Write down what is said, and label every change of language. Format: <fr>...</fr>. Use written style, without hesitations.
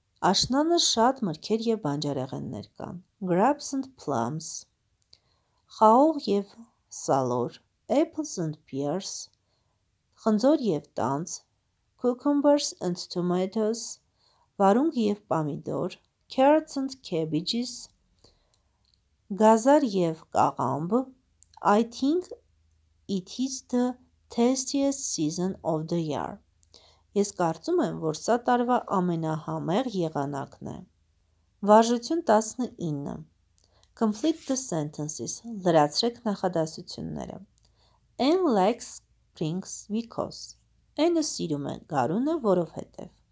<hy>Աշնանը շատ մրգեր և բանջարեղեններ կան։</hy> <en>Grapes and plums.</en> <hy>Խաղող և սալոր։</hy> <en>Apples and pears.</en> <hy>Խնձոր և տանձ։</hy> <en>Cucumbers and tomatoes.</en> <hy>Վարունգ և պամիդոր։</hy> <en>Carrots and cabbages.</en> <hy>Գազար և կաղամբ.</hy> <en>I think it is the tastiest season of the year.</en> <hy>Ես կարծում եմ, որ սա տարվա ամենահամեղ եղանակն է։ Վարժություն 19.</hy> <en>Complete the sentences.</en> <hy>Լրացրեք նախադասությունները.</hy> <en>Anne likes springs because.</en> <hy>Anne-ը սիրում է գարունը, որովհետև.</hy>